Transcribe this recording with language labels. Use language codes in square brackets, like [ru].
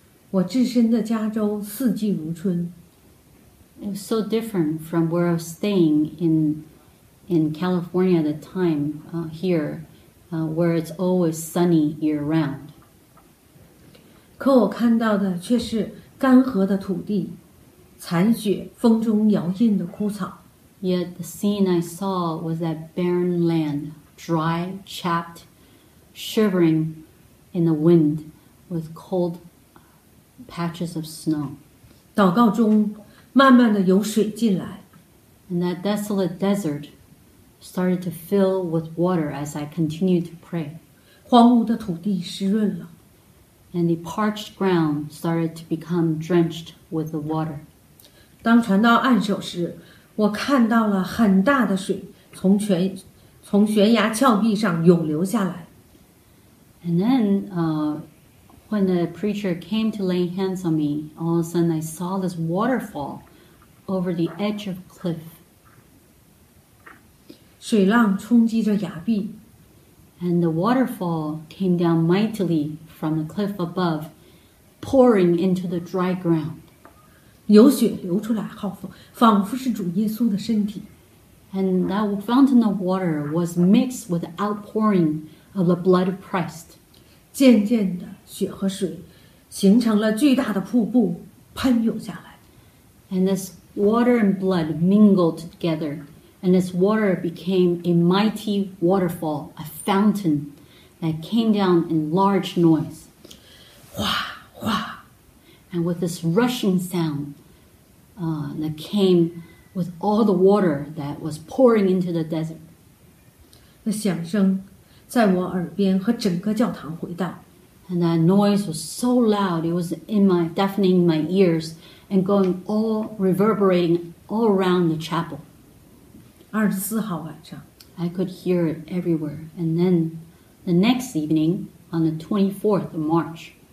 [zh] 我置身的加州四季如春。 [en] It was so different from where I was staying in California at the time here, where it's always sunny year round. [zh] 可我看到的却是干涸的土地，残雪，风中摇曳的枯草。 [en] Yet the scene I saw was that barren land, dry, chapped, shivering in the wind with cold patches of snow. [zh] 祷告中，慢慢的有水进来。 [en] And that desolate desert started to fill with water as I continued to pray. [zh] 荒芜的土地湿润了。 [en] And the parched ground started to become drenched with the water. [zh] 当传到岸首时，我看到了很大的水从悬崖峭壁上涌流下来。 [en] And then, when the preacher came to lay hands on me, all of a sudden I saw this waterfall over the edge of cliff. [zh] 水浪冲击着崖壁。 [en] And the waterfall came down mightily from the cliff above, pouring into the dry ground. [zh] 有血流出来，仿佛是主耶稣的身体。 [en] And that fountain of water was mixed with the outpouring of the blood of Christ. [zh] 渐渐的，血和水形成了巨大的瀑布，喷涌下来。 [en] And this water and blood mingled together. And this water became a mighty waterfall, a fountain that came down in large noise. Hua, hua. And with this rushing sound, that came with all the water that was pouring into the desert. [zh] 那响声在我耳边和整个教堂回荡。 [en] And that noise was so loud, it was deafening my ears and going all reverberating all around the chapel. [zh] 二十四号晚上 [en] I could hear it everywhere. And then the next evening, on the 24th of March,